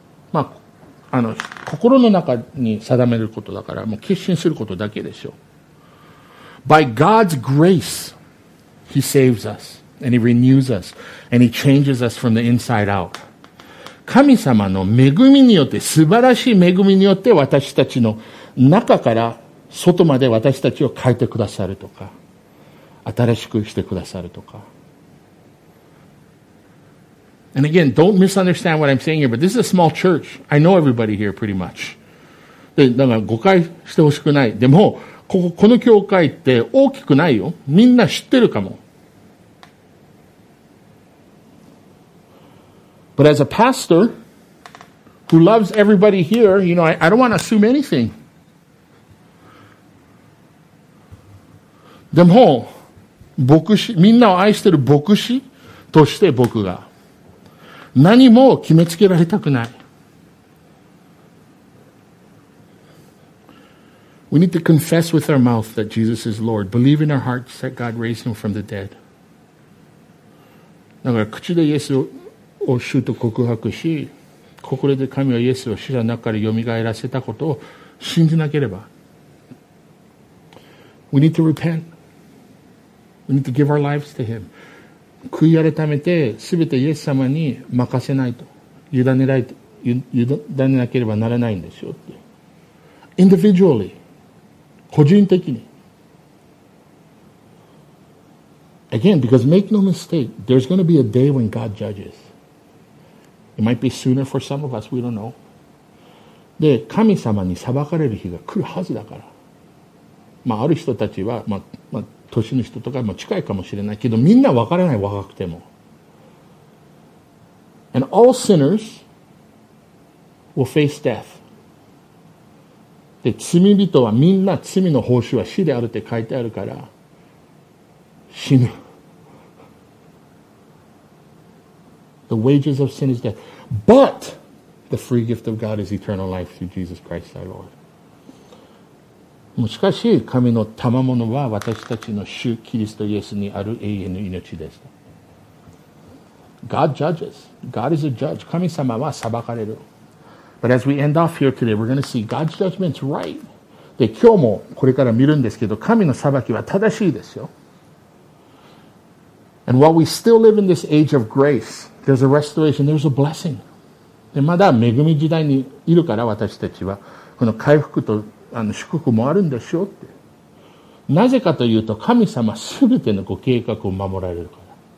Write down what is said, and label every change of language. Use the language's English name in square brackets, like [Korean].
[Japanese] まあ、心の中に定めることだから、もう決心することだけでしょ。 [English] By God's grace, He saves us, and He renews us, and He changes us from the inside out. [Japanese] 神様の恵みによって、素晴らしい恵みによって、私たちの中から外まで私たちを変えてくださるとか、新しくしてくださるとか。 [English] And again, don't misunderstand what I'm saying here, but this is a small church. I know everybody here pretty much. [Japanese] で、だから誤解してほしくない。でも、この教会って大きくないよ。みんな知ってるかも。 [English] But as a pastor who loves everybody here, you know, I don't want to assume anything. [Japanese] でも、牧師、みんなを愛してる牧師として僕が。何も決めつけられたくない。 [English] We need to confess with our mouth that Jesus is Lord. Believe in our hearts that God raised him from the dead. [Japanese] だから口でイエスを主と告白し、心で神はイエスを死者の中から蘇らせたことを信じなければ。 [English] We need to repent. We need to give our lives to him. [Japanese] 悔い改めて全てイエス様に任せないと委ねなければならないんですよって。 [English] Individually [Japanese] 個人的に [English] Again, because make no mistake, there's going to be a day when God judges. It might be sooner for some of us, we don't know. [Japanese] で、神様に裁かれる日が来るはずだから。まあ、ある人たちは、年の人とかも近いかもしれないけど、みんな分からない、若くても。 [English] And all sinners will face death. [Japanese] で、罪人はみんな罪の報酬は死であるって書いてあるから、死ぬ。 [English] The wages of sin is death. But the free gift of God is eternal life through Jesus Christ our Lord. [Japanese] しかし神の賜物は私たちの主キリストイエスにある永遠の命です。 [English] God judges. God is a judge. [Japanese] 神様は裁かれる。 [English] But as we end off here today, we're going to see God's judgment's right. [Japanese] で、今日もこれから見るんですけど、神の裁きは正しいですよ。 [English] And while we still live in this age of grace, there's a restoration, there's a blessing. [Japanese] で、まだ恵み時代にいるから私たちは、この回復と祝福もあるんでしょうって。なぜかというと、神様すべてのご計画を守られるから。